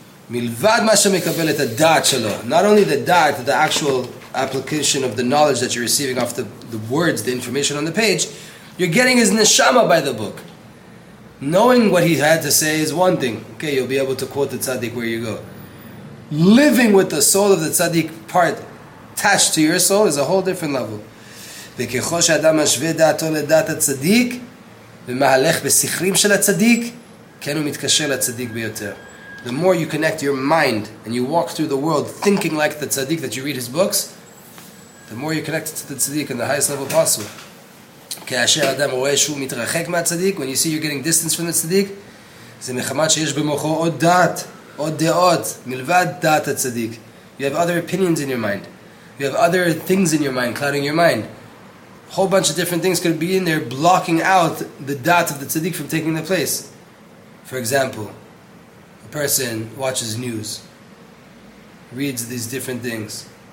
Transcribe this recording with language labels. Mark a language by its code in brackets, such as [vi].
[he] Milvad ma shemekabel et ha'da'at shelo. [en] Not only the da'at, the actual application of the knowledge that you're receiving off the words, the information on the page, you're getting his neshama by the book. Knowing what he had to say is one thing. Okay, you'll be able to quote the tzaddik where you go. Living with the soul of the tzaddik part attached to your soul is a whole different level. [he] וככל שאדם משווה דעתו לדעת הצדיק ומהלך בשכרים של הצדיק כן הוא מתקשר לצדיק ביותר. [en] The more you connect your mind and you walk through the world thinking like the tzaddik that you read his books, the more you connect to the tzaddik in the highest level possible. [he] כאשר אדם רואה שהוא מתרחק מהצדיק, [en] when you see you're getting distance from the tzaddik, [he] זה מחמת שיש במוחו עוד דעת, עוד דעות מלבד דעת הצדיק. [en] You have other opinions in your mind, you have other things in your mind clouding your mind. Whole bunch of different things could be in there blocking out the da'at of the tzaddik from taking the place. For example, a person watches news, reads these different things.